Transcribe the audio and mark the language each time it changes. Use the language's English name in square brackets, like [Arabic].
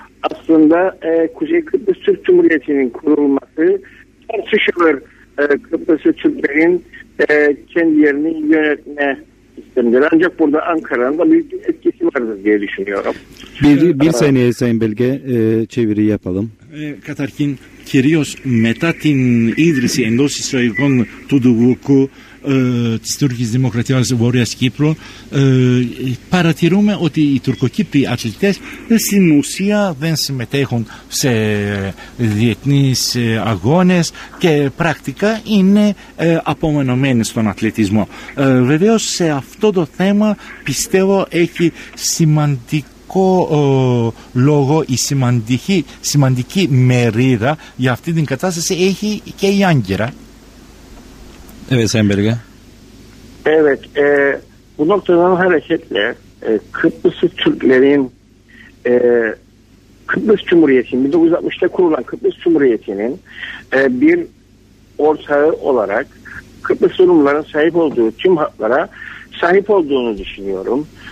[Turkish] Aslında Kuzey Kıbrıs Türk Cumhuriyeti'nin kurulması tartışılır. Kıbrıs Türklerin kendi yerini yönetme sistemleri. Ancak burada Ankara'nın da büyük bir etkisi vardır diye düşünüyorum. Bir saniye Sayın Belge çeviri yapalım. [Greek] Καταρχήν, κυρίως μετά την ίδρυση εντός εισαγωγικών του Ντουβούκου της Τούρκης Δημοκρατίας Βόρειας Κύπρου, παρατηρούμε ότι οι τουρκοκύπριοι αθλητές στην ουσία δεν συμμετέχουν σε διεθνείς αγώνες και πρακτικά είναι απομονωμένοι στον αθλητισμό. Βεβαίως σε αυτό το θέμα πιστεύω έχει σημαντικό λόγο η σημαντική μερίδα για αυτή την κατάσταση έχει και η Άγκυρα. [Turkish] Evet, Sayın Belge. Evet, bu noktadan hareketle Kıbrıs'ı Türklerin Kıbrıs Cumhuriyeti'nin 1960'ta kurulan Kıbrıs Cumhuriyeti'nin bir ortağı olarak Kıbrıs Rumların sahip olduğu tüm haklara sahip olduğunu düşünüyorum.